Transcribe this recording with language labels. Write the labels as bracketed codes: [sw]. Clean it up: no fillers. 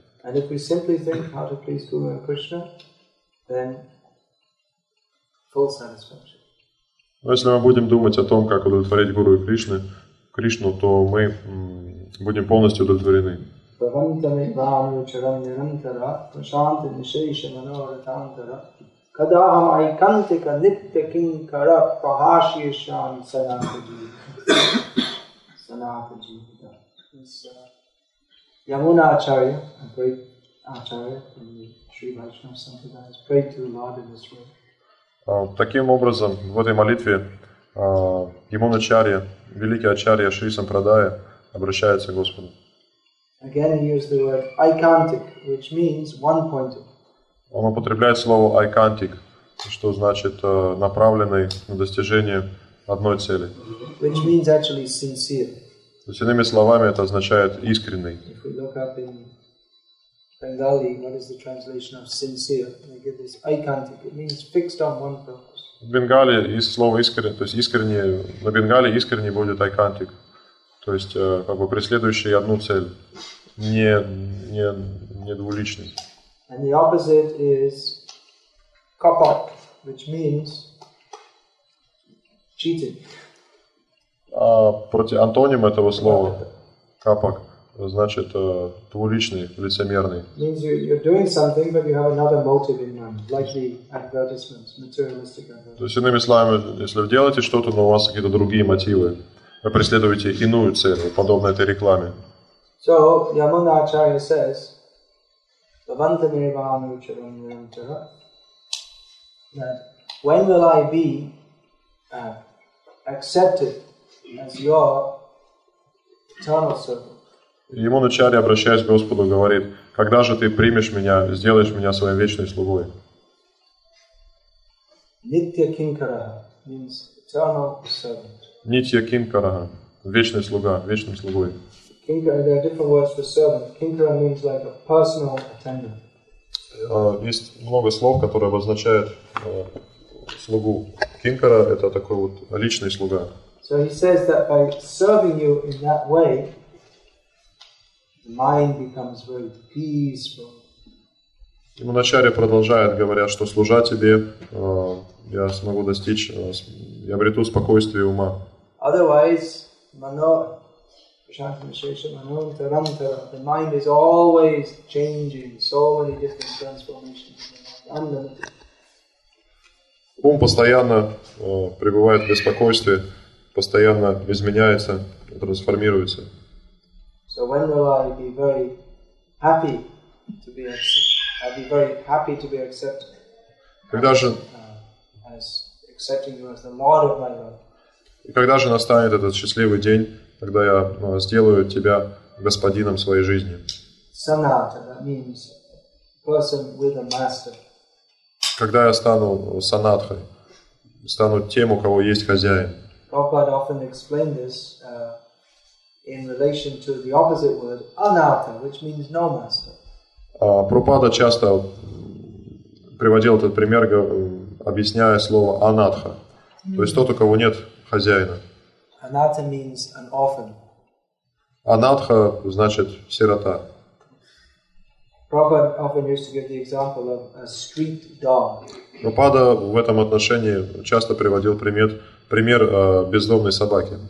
[en] And if we simply think how to please Guru and Krishna, then full satisfaction. [ru] Но если мы будем думать о том, как удовлетворить Гуру и Кришну, то мы будем полностью удовлетворены. [sa] Bhavantame bhāmu charam nirantara, prashanta nishesha manoratantara, kadaham aikantika nitya kinkara, prahāshyashyam sanātajīvita. [en] Yamuna Acharya, a great Acharya in the Sri Vaishnava Sampradaya, prayed to the Lord in this way. [ru] Таким образом, в этой молитве Yamuna Acharya, великий Acharya Sri Sampradaya, обращается к Господу. [en] Again, he used the word aikantik, which means one-pointed. [ru] Он употребляет слово aikantik, что значит направленный на достижение одной цели. [en] Which means actually sincere. [ru] То есть, иными словами, это означает искренний. [en] If we look up in Bengali, what is the translation of sincere? We get this aikantik. It means fixed on one purpose. [ru] В Бенгали из слова искренний, то есть искренний, на Бенгали искренний будет aikantik. То есть, как бы преследующий одну цель, не двуличный. [en] And the opposite is kapat, which means cheating. [ru] Антоним этого слова, капак, значит, двуличный, лицемерный. [en] Means you're doing something, but you have another motive in mind, like the advertisement, materialistic advertisement. [ru] То есть, иными словами, если вы делаете что-то, но у вас какие-то другие мотивы, вы преследуете иную цель, подобно этой рекламе. [en] So, Yamuna Acharya says, that when will I be accepted as your eternal servant? [ru] Ему начали, обращаясь к Господу, говорит, когда же ты примешь меня, сделаешь меня своим вечной слугой? [en] Nitya Kinkaraha means eternal servant. [ru] Nitya Kinkaraha, вечный слуга, вечным слугой. [en] Kinkara, there are different words for servant. Kinkara means like a personal attendant. [ru] Есть много слов, которые обозначают слугу. Kinkara – это такой вот личный слуга. [en] So he says that by serving you in that way, mind becomes very peaceful. [ru] Ему начале продолжает, говоря, что служа тебе, я смогу достичь, я обрету спокойствие ума. [en] Otherwise, mano, the mind is always changing, so many different transformations, unlimited. [ru] Ум постоянно пребывает в беспокойстве, постоянно изменяется, трансформируется. [en] So when will I be very happy to be accepted? I'll be very happy to be accepted. [ru] Когда же [en] as accepting you as the Lord of my life? [ru] И когда же настанет этот счастливый день, когда я сделаю тебя господином своей жизни? [en] Sanata, that means person with a master. [ru] Когда я стану санатхой, стану тем, у кого есть хозяин. [en] Prabhupada often explained this in relation to the opposite word anatta, which means no master. [ru] Прабхупада часто приводил этот пример, объясняя слово анатха, то есть тот, у кого нет хозяина. [en] Anatta means an orphan. [ru] Анатха значит сирота. [en] Prabhupada often used to give the example of a street dog. [ru] Прабхупада в этом отношении часто приводил пример бездомной собаки.